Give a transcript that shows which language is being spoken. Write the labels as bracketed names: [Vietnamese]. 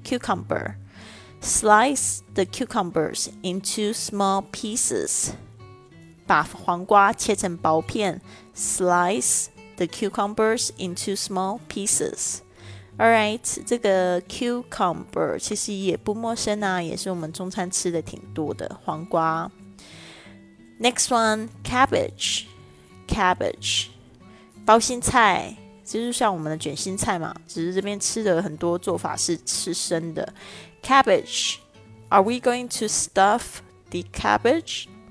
[English] Cucumber， Slice the cucumbers into small pieces， [Chinese] 把黄瓜切成薄片。 [English] SliceThe cucumbers into small pieces. [Chinese] Alright, 这个 cucumber 其实也不陌生啊，也是我们中餐吃的挺多的黄瓜。 [English] Next one, [Chinese] cabbage, 包心菜，就是像我们的卷心菜嘛，只是这边吃的很多做法是吃生的。 [English] Cabbage, are we going to stuff the cabbage?